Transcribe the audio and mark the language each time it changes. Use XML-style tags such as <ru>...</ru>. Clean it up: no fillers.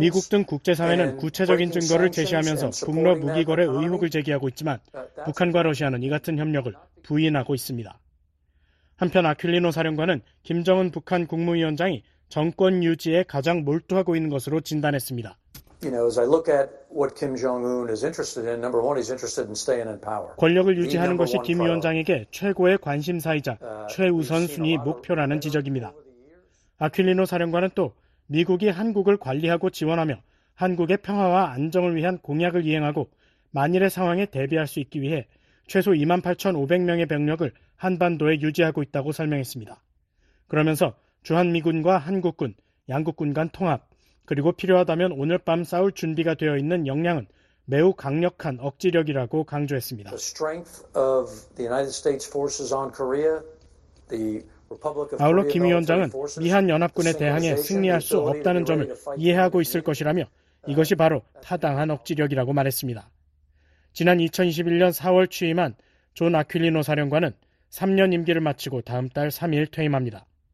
<ko>미국 등 국제사회는 구체적인 증거를 제시하면서 북러 무기 거래 의혹을 제기하고 있지만 북한과 러시아는 이 같은 협력을 부인하고 있습니다. 한편 아퀼리노 사령관은 김정은 북한 국무위원장이 정권 유지에 가장 몰두하고 있는 것으로 진단했습니다.</ko> <en>You know, as I look at what Kim Jong-un is interested in, number one, he's interested in staying in power.</en> <ko>권력을 유지하는 것이 김 위원장에게 최고의 관심사이자 최우선순위 목표라는 지적입니다. 아퀼리노 사령관은 또 미국이 한국을 관리하고 지원하며 한국의 평화와 안정을 위한 공약을 이행하고 만일의 상황에 대비할 수 있기 위해 최소 28,500명의 병력을 한반도에 유지하고 있다고 설명했습니다. 그러면서 주한미군과 한국군, 양국군 간 통합, 그리고 필요하다면 오늘 밤 싸울 준비가 되어 있는 역량은 매우 강력한 억지력이라고 강조했습니다.</ko> <en>The strength of the United States forces on Korea, the</en> <ko>아울러 김 위원장은 미한 연합군에 대항해 승리할 수 없다는 점을 이해하고 있을 것이라며 이것이 바로 타당한 억지력이라고 말했습니다. 지난 2021년 4월 취임한 존 아퀼리노 사령관은 3년 임기를 마치고 다음 달 3일 퇴임합니다.</ko>